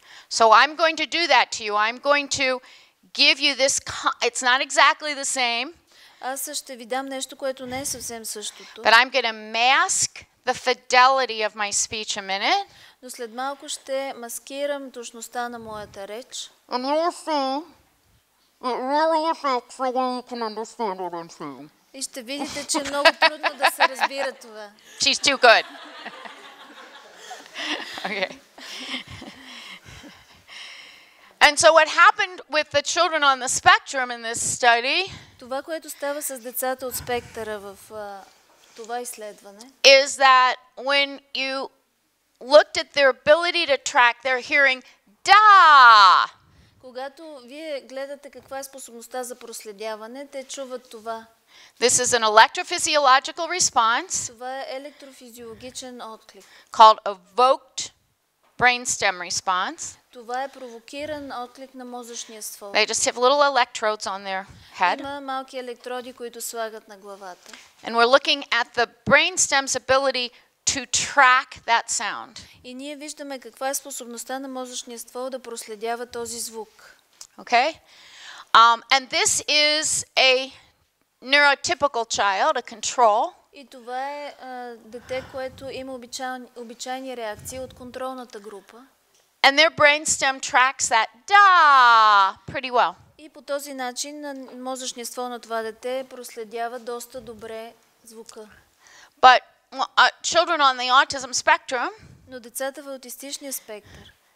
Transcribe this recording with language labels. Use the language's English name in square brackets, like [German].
[English] So I'm going to do that to you. I'm going to give you this, it's not exactly the same. [Bulgarian] Аз ще ви дам нещо, което не е съвсем същото. [English] But I'm going to mask the fidelity of my speech a minute. [Bulgarian] Но след малко ще маскирам точността на моята реч. [English] And also, it really affects the way you can understand what I'm saying. [Bulgarian] И ще видите, че е много трудно да се разбира това. [English] She's too good. Okay. And so what happened with the children on the spectrum in this study? [Bulgarian] Това, което става с децата от спектъра в това изследване, [English] is that when you looked at their ability to track their hearing, da. [Bulgarian] Когато вие гледате каква е способността за проследяване, те чуват това. [English] This is an electrophysiological response. [Bulgarian] Това е електрофизиологичен отклик. [English] Called evoked brainstem response. [Bulgarian] Това е провокиран отклик на мозъчния ствол. [English] They just have little electrodes on their head. [Bulgarian] Има малки електроди, които слагат на главата. [English] And we're looking at the brainstem's ability to track that sound. [Bulgarian] И ние виждаме каква е способността на мозъчния ствол да проследява този звук. [English] Okay? And this is a neurotypical child, a control. [Bulgarian] И това е дете, което има обичайни реакции от контролната група. [English] And their brainstem tracks that da pretty well. [Bulgarian] И по този начин мозъчният ствол на това дете проследява доста добре звука. [English] But children on the autism spectrum. [Bulgarian] Но децата в аутистичния спектър.